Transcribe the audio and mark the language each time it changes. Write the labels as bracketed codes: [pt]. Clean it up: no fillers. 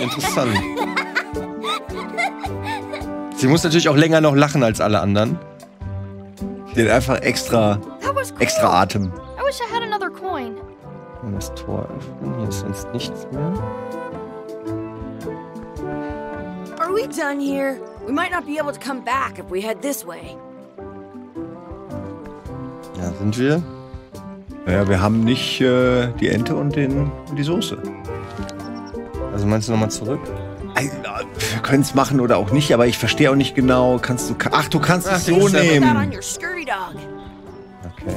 [de] Interessant. Sie muss natürlich auch länger noch lachen als alle anderen. Sie hat einfach extra, cool. extra Atem. [en] I wish I had another coin. [de] Das Tor öffnen, hier ist sonst nichts mehr. [en] Are we done here? We might not be able to come back if we head this way. [de] Ja, sind wir? Naja, wir haben nicht die Ente und die Soße. Also meinst du nochmal zurück? Wir können es machen oder auch nicht, aber ich verstehe auch nicht genau. Du kannst es so nehmen. Okay.